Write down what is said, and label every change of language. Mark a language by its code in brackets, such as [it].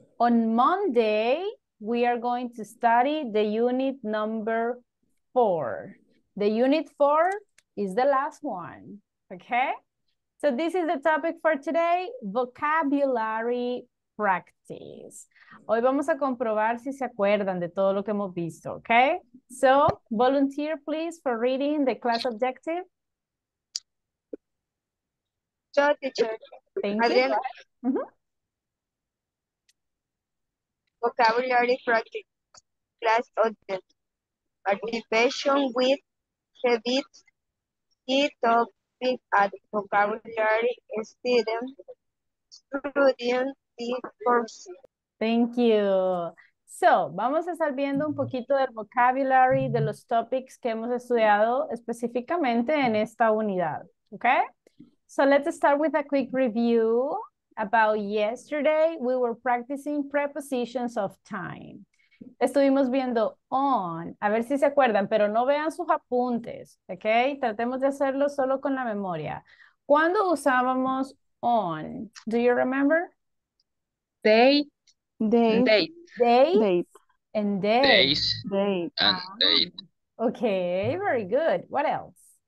[en] On Monday, we are going to study the unit number 4. The unit 4 is the last one, okay? So this is the topic for today, vocabulary practice. [es] Hoy vamos a comprobar si se acuerdan de todo lo que hemos visto, okay? [en] So, volunteer please for reading the class objective. So, teacher. Thank you. Vocabulary practice, class object, participation with credit, key topic at vocabulary student, student, person. Thank you. [es] So, vamos a estar viendo un poquito del vocabulary de los topics que hemos estudiado específicamente en esta unidad, okay? [en] So, let's start with a quick review. About yesterday, we were practicing prepositions of time. [es] estuvimos viendo on, a ver si se acuerdan, pero no vean sus apuntes, ¿ok? Tratemos de hacerlo solo con la memoria. ¿Cuándo usábamos on? Do you remember? [en] Date. Okay, very good. What else?